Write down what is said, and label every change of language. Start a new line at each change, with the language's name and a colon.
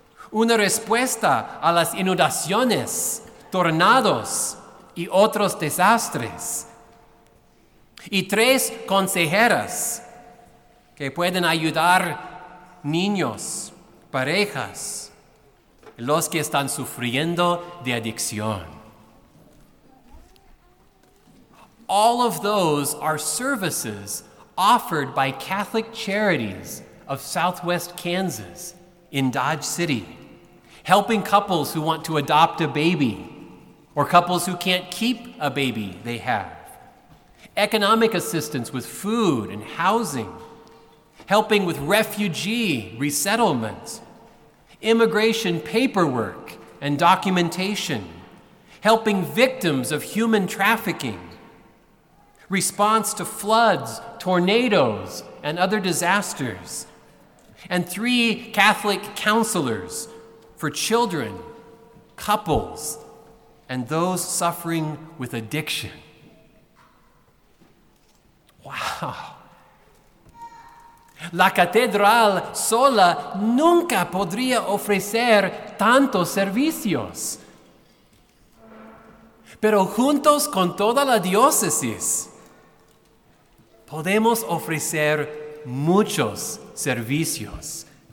Spanish: Una respuesta a las inundaciones, tornados y otros desastres. Y 3 consejeras que pueden ayudar niños, parejas, los que están sufriendo de adicción.
English: All of those are services offered by Catholic Charities of Southwest Kansas in Dodge City, helping couples who want to adopt a baby or couples who can't keep a baby they have. Economic assistance with food and housing, helping with refugee resettlements, immigration paperwork and documentation, helping victims of human trafficking, response to floods, tornadoes, and other disasters, and 3 Catholic counselors for children, couples, and those suffering with addiction. Wow!
Spanish: La catedral sola nunca podría ofrecer tantos servicios. Pero juntos con toda la diócesis, podemos ofrecer muchos servicios.